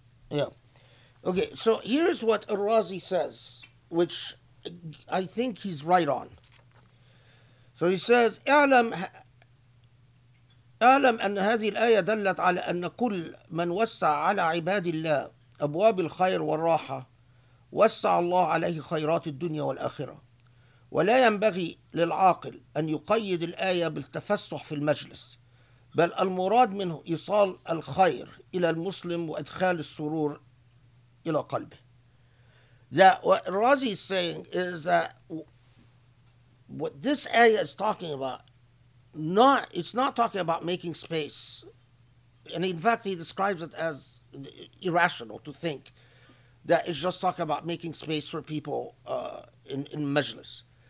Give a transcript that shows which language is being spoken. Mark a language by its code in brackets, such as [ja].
[en] Yeah. Okay, so here's what Al-Razi says, which I think he's right on. So he says, [ar] أعلم أن هذه الآية دلت على أن كل من وسع على عباد الله أبواب الخير والراحة وسع الله عليه خيرات الدنيا والآخرة ولا ينبغي للعاقل أن يقيد الآية بالتفسح في المجلس بل المراد منه إيصال الخير إلى المسلم وإدخال السرور إلى قلبه. [en] That what Razi is saying is that what this ayah is talking about, it's not talking about making space. And in fact, he describes it as irrational to think that it's just talking about making space for people in majlis.